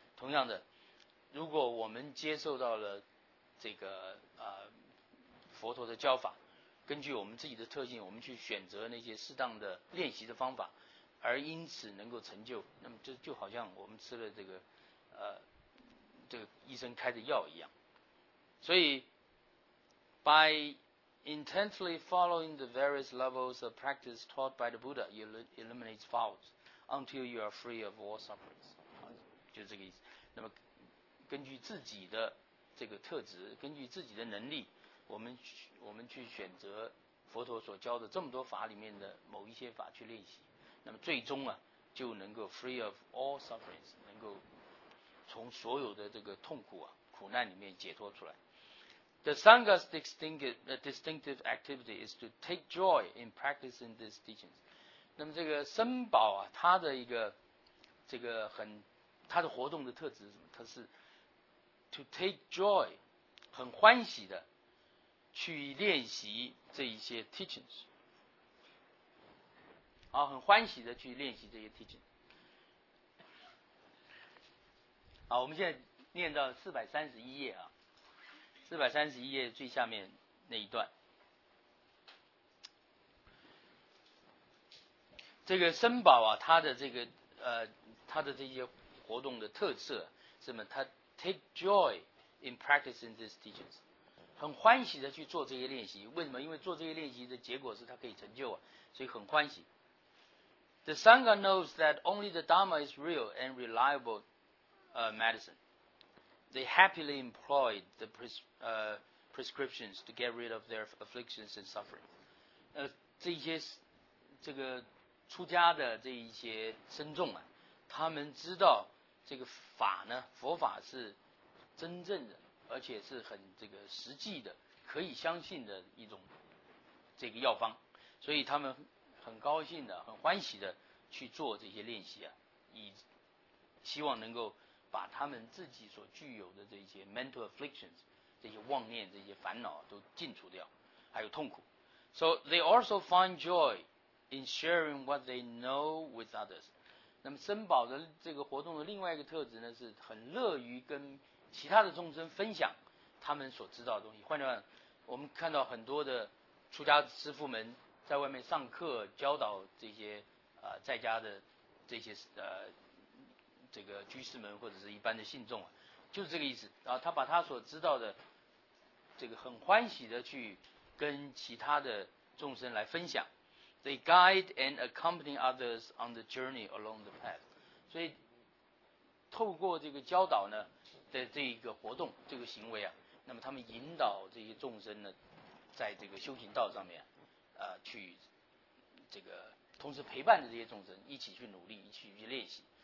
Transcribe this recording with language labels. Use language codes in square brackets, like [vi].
[zh] 同样的，如果我们接受到了这个佛陀的教法，根据我们自己的特性，我们去选择那些适当的练习的方法，而因此能够成就，那么就好像我们吃了这个医生开的药一样。所以 [en] by intently following the various levels of practice taught by the Buddha, you eliminate faults until you are free of all sufferings。 [zh] 就这个意思。那么根据自己的这个特质，根据自己的能力，我们去选择佛陀所教的这么多法里面的某一些法去练习，那么最终啊，就能够 [en] free of all sufferings， [zh] 能够从所有的这个痛苦啊、苦难里面解脱出来。 [en] The Sangha's distinctive activity is to take joy in practicing these teachings。 [zh] 那么这个僧宝啊，他的一个这个很他的活动的特质是什么？他是 [en] to take joy， [zh] 很欢喜的去练习这一些 teachings， 好，很欢喜的去练习这些 teachings。好，我们现在念到431页啊，431页最下面那一段，这个僧宝啊，他的这个他的这些活动的特色是什么？他 [en] Take joy in practicing these teachings， [zh] 很欢喜的去做这些练习。为什么？因为做这些练习的结果是他可以成就啊，所以很欢喜。 [en] The Sangha knows that only the Dharma is real and reliable medicine. They happily employ the prescriptions to get rid of their afflictions and suffering. [zh] 这些这个出家的这一些僧众啊，他们知道。这个法呢，佛法是真正的，而且是很这个实际的，可以相信的一种这个药方，所以他们很高兴的，很欢喜的去做这些练习啊，以希望能够把他们自己所具有的这些 [en] mental afflictions， [zh] 这些妄念、这些烦恼都净除掉，还有痛苦。 [en] So they also find joy in sharing what they know with others。 [zh] 那么僧宝的这个活动的另外一个特质呢，是很乐于跟其他的众生分享他们所知道的东西。换句话说，我们看到很多的出家师父们在外面上课教导这些在家的这些这个居士们或者是一般的信众啊，就是这个意思啊。他把他所知道的这个很欢喜的去跟其他的众生来分享。 [en] They guide and accompany others on the journey along the path. [zh] 所以透过这个教导呢的这个活动这个行为啊，那么他们引导这些众生呢在这个修行道上面去这个同时陪伴着这些众生一起去努力一起去练习。